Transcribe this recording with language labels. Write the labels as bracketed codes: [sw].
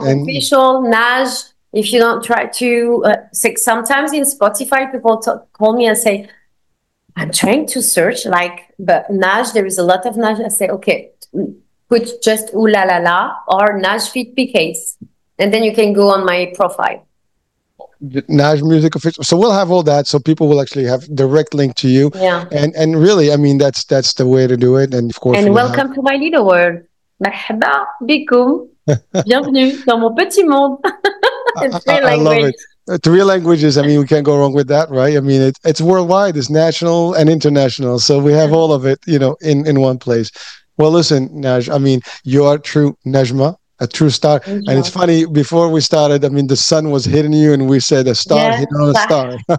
[en] Naj official, and Naj, if you don't try to, sometimes in Spotify, people call me and say, I'm trying to search, like, but Naj, there is a lot of Naj. I say, okay, put just Ooh La La La or Naj Feet PKs, and then you can go on my profile. Naj music official, so we'll have all that, so people will actually have direct link to you. Yeah, and really, I mean, that's the way to do it. And of course, and welcome to my little world. [ar] Merhaba bikum, [fr] bienvenue dans mon petit monde. [en] I love it. Three languages. I mean, we can't go wrong with that, right? I mean, it's worldwide, it's national and international, so we have all of it, you know, in one place. Well, listen, Naj, I mean, you are true Najma. A true star. Mm-hmm. And it's funny, before we started, I mean, the sun was hitting you and we said a star hit on a star.